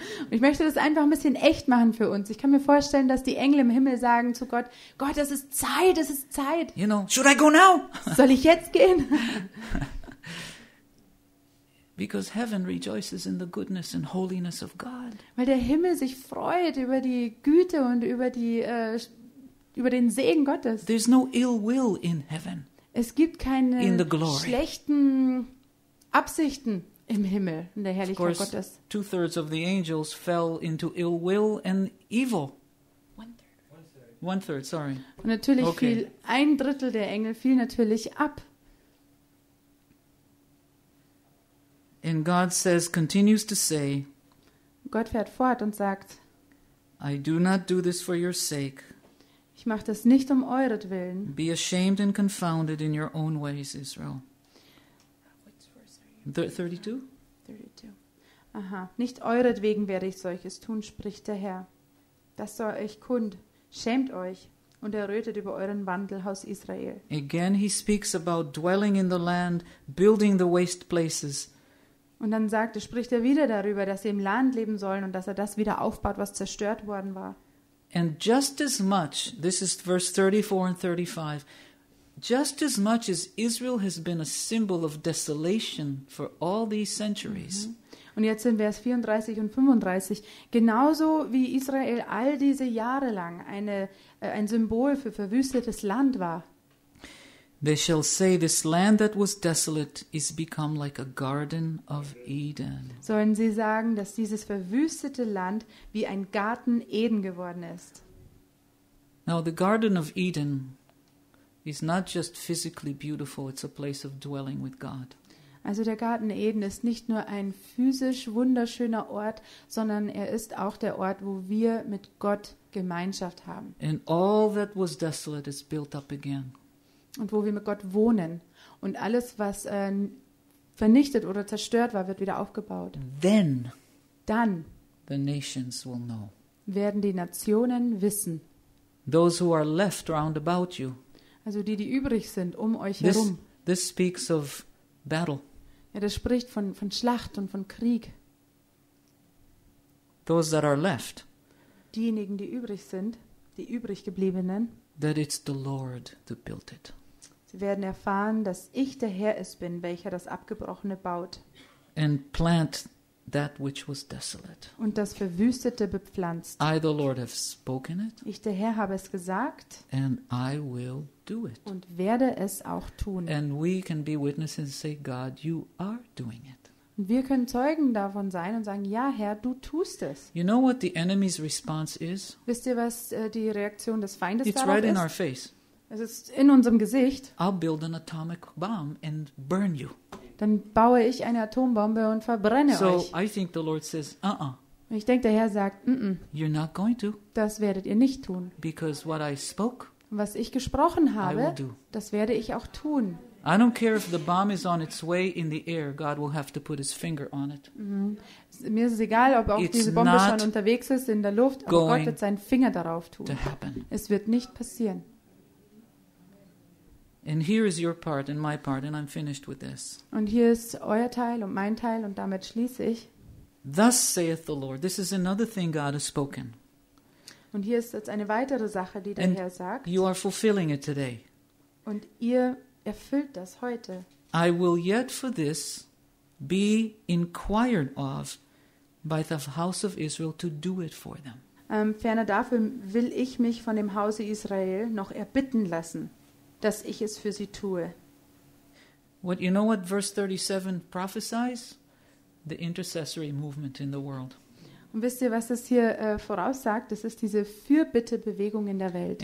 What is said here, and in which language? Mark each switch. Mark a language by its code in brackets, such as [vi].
[de] Ich möchte das einfach ein bisschen echt machen für uns. Ich kann mir vorstellen, dass die Engel im Himmel sagen zu Gott, Gott, es ist Zeit, es ist Zeit. [en] You know, should I go now? [de] Soll ich jetzt gehen? [en] Because heaven rejoices in the goodness and holiness of God. [de] Weil der Himmel sich freut über die Güte und über die über den Segen Gottes. [en] There's no ill will in heaven. [de] Es gibt keine schlechten Absichten. Im Himmel, in der Herrlichkeit [en] of course, [de] Gottes. [en] Two-thirds of the angels fell into ill will and evil. One-third, sorry. [de] Und natürlich okay. Fiel ein Drittel der Engel fiel natürlich ab. [en] God says, continues to say, [de] Gott fährt fort und sagt, [en] I do not do this for your sake. [de] Ich mache das nicht um euretwillen. [en] Be ashamed and confounded in your own ways, Israel. Which verse are you? 32? 32. Aha. [de] Nicht euretwegen werde ich solches tun, spricht der Herr. Das soll euch kund. Schämt euch und errötet über euren Wandel, Haus Israel. [en] Again he speaks about dwelling in the land, building the waste places. [de] Und dann sagt, spricht er wieder darüber, dass sie im Land leben sollen und dass er das wieder aufbaut, was zerstört worden war. [en] And just as much, this is verse 34 and 35, just as much as Israel has been a symbol of desolation for all these centuries. Mm-hmm. [de] Und jetzt in Vers 34 und 35, genauso wie Israel all diese Jahre lang ein Symbol für verwüstetes Land war. [en] They shall say, this land that was desolate is become like a garden of Eden. [de] Sollen sie sagen, dass dieses verwüstete Land wie ein Garten Eden geworden ist? [en] Now the Garden of Eden is not just physically beautiful, it's a place of dwelling with God. [de] Also der Garten Eden ist nicht nur ein physisch wunderschöner Ort, sondern er ist auch der Ort, wo wir mit Gott Gemeinschaft haben. [en] And all that was desolate is built up again. [de] Und wo wir mit Gott wohnen. Und alles, was vernichtet oder zerstört war, wird wieder aufgebaut. [en] Then [de] dann [en] the nations will know. [de] Werden die Nationen wissen. [en] Those who are left round about you. [de] Also die, die übrig sind, um euch [en] this, [de] herum. [en] This speaks of battle. [de] Ja, das spricht von Schlacht und von Krieg. [en] Those that are left. [de] Diejenigen, die übrig sind, die übrig gebliebenen. [en] That it's the Lord that built it. [de] Sie werden erfahren, dass ich der Herr es bin, welcher das Abgebrochene baut. [en] And plant that which was desolate. [de] Und das Verwüstete bepflanzt. [en] I, the Lord, have spoken it. [de] Ich, der Herr, habe es gesagt. [en] And I will do it. [de] Und werde es auch tun. [en] And we can be witnesses and say, God, you are doing it. [de] Und wir können Zeugen davon sein und sagen, ja, Herr, du tust es. [en] You know what the enemy's response is? [de] Wisst ihr, was die Reaktion des Feindes [en] it's [de] darauf [en] right [de] ist? [en] In our face. [de] Es ist in unserem Gesicht. [en] I'll build an atomic bomb and burn you. [de] Dann baue ich eine Atombombe und verbrenne [en] so [de] euch. [en] So I think the Lord says, uh-uh. [de] Ich denke, der Herr sagt, [en] You're not going to. [de] Das werdet ihr nicht tun. [en] Because what I spoke, [de] was ich gesprochen habe, [en] I will do. [de] Das werde ich auch tun. [en] I don't care if the bomb is on its way in the air, God will have to put his finger on it. [de] Mm-hmm. Mir ist es egal, ob auch [en] it's [de] diese Bombe schon unterwegs ist in der Luft, aber Gott wird seinen Finger darauf tun. [en] To happen. [de] Es wird nicht passieren. [en] And here is your part and my part and I'm finished with this. [de] Und hier ist euer Teil und mein Teil und damit schließe ich. [en] Thus saith the Lord. This is another thing God has spoken. [de] Und hier ist jetzt eine weitere Sache, die der [en] and [de] Herr sagt. [en] You are fulfilling it today. [de] Und ihr erfüllt das heute. [en] I will yet for this be inquired of by the house of Israel to do it for them. [de] Ferner dafür will ich mich von dem Hause Israel noch erbitten lassen, dass ich es für sie tue. [en] What you know what verse 37 prophesies? The intercessory movement in the world. [de] Und wisst ihr, was das hier voraussagt? Das ist diese Fürbitte-Bewegung in der Welt.